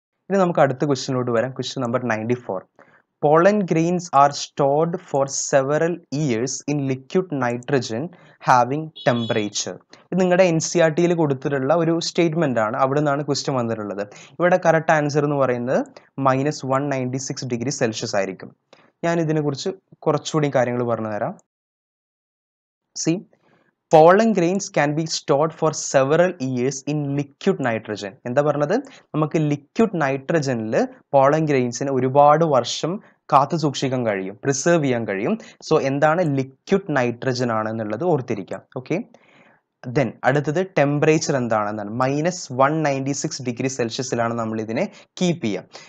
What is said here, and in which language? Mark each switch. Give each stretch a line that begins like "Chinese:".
Malayalam: ഇനി നമുക്ക് അടുത്ത ക്വസ്റ്റ്യനിലോട്ട് വരാം. Question number 94.
English: Pollen grains are stored for several years in liquid nitrogen having temperature.
Malayalam: ഇത് നിങ്ങളുടെ എൻ സി ആർ ടിയിൽ കൊടുത്തിട്ടുള്ള ഒരു സ്റ്റേറ്റ്മെൻ്റ് ആണ്. അവിടെ നിന്നാണ് ക്വസ്റ്റ്യൻ വന്നിട്ടുള്ളത്. ഇവിടെ കറക്റ്റ് ആൻസർ എന്ന് പറയുന്നത് മൈനസ് 196 ഡിഗ്രി സെൽഷ്യസ് ആയിരിക്കും. ഞാൻ ഇതിനെക്കുറിച്ച് കുറച്ചുകൂടി കാര്യങ്ങൾ പറഞ്ഞു തരാം. C,
English: Pollen grains can be stored for several years in liquid nitrogen.
Malayalam: എന്താ പറഞ്ഞത് നമുക്ക് ലിക്വിഡ് നൈട്രജനിൽ പോളൻ ഗ്രെയിൻസിന് ഒരുപാട് വർഷം കാത്തു സൂക്ഷിക്കാൻ കഴിയും, പ്രിസേർവ് ചെയ്യാൻ കഴിയും. സോ എന്താണ് ലിക്വിഡ് നൈട്രജൻ ആണെന്നുള്ളത് ഓർത്തിരിക്കാം. ഓക്കെ, ദെൻ അടുത്തത് ടെമ്പറേച്ചർ എന്താണെന്നാണ്, -196°C നമ്മൾ ഇതിനെ കീപ്പ് ചെയ്യുക.